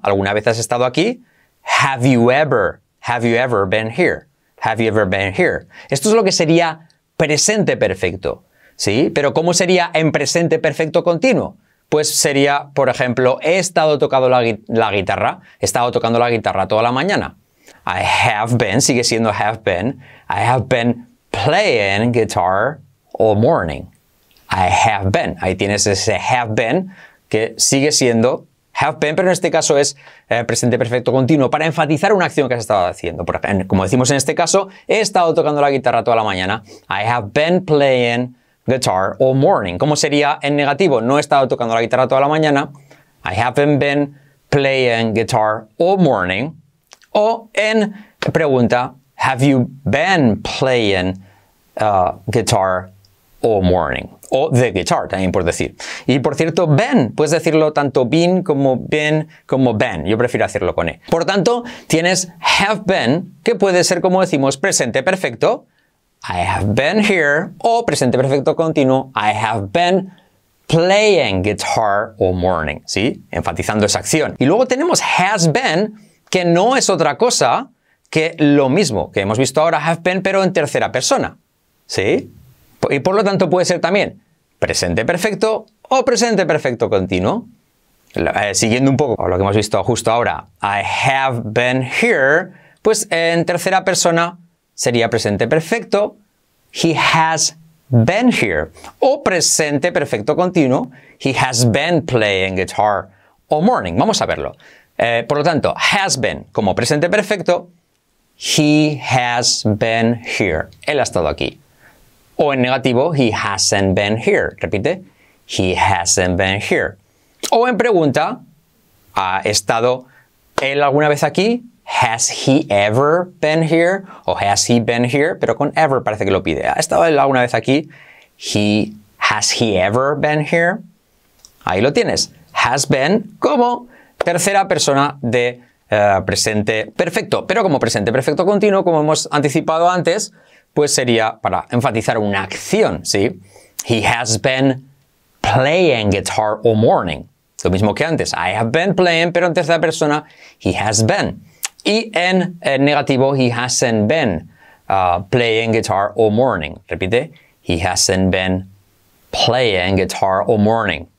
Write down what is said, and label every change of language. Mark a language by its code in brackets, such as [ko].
[es] ¿Alguna vez has estado aquí? [en] Have you ever been here? Have you ever been here? [es] Esto es lo que sería presente perfecto, ¿sí? Pero ¿cómo sería en presente perfecto continuo? Pues sería, por ejemplo, he estado tocando la guitarra. He estado tocando la guitarra toda la mañana. [en] I have been, [es] sigue siendo [en] have been. I have been playing guitar all morning. I have been. [es] Ahí tienes ese have been que sigue siendo have been, pero en este caso es presente perfecto continuo para enfatizar una acción que has estado haciendo. Por ejemplo, como decimos en este caso, he estado tocando la guitarra toda la mañana. [en] I have been playing guitar all morning. [es] ¿Cómo sería en negativo? No he estado tocando la guitarra toda la mañana. [en] I haven't been playing guitar all morning. [es] O en pregunta, [en] have you been playing guitar all morning? O the guitar, [es] también por decir. Y por cierto, been, puedes decirlo tanto been como been. Yo prefiero hacerlo con e. Por tanto, tienes have been, que puede ser, como decimos, presente perfecto. [en] I have been here. [es] O presente perfecto continuo. [en] I have been playing guitar all morning. [es] ¿Sí? Enfatizando esa acción. Y luego tenemos has been, que no es otra cosa que lo mismo que hemos visto ahora, have been, pero en tercera persona. ¿Sí? Y por lo tanto puede ser también presente perfecto o presente perfecto continuo. Siguiendo un poco lo que hemos visto justo ahora, [en] I have been here, [es] pues en tercera persona sería presente perfecto, [en] he has been here. [es] O presente perfecto continuo, [en] he has been playing guitar all morning. [es] Vamos a verlo. Por lo tanto, has been como presente perfecto, [en] he has been here. [es] Él ha estado aquí. O en negativo, [en] he hasn't been here. [es] Repite, [en] he hasn't been here. [es] O en pregunta, ¿ha estado él alguna vez aquí? [en] Has he ever been here? O has he been here? [es] Pero con ever parece que lo pide. ¿Ha estado él alguna vez aquí? [en] Has he ever been here? [es] Ahí lo tienes. Has been como tercera persona de presente perfecto. Pero como presente perfecto continuo, como hemos anticipado antes, pues sería para enfatizar una acción, ¿sí? [en] He has been playing guitar all morning. [es] Lo mismo que antes. [en] I have been playing, [es] pero en tercera persona, [en] he has been. [es] Y en negativo, [en] he hasn't been playing guitar all morning. [es] Repite. [en] He hasn't been playing guitar all morning.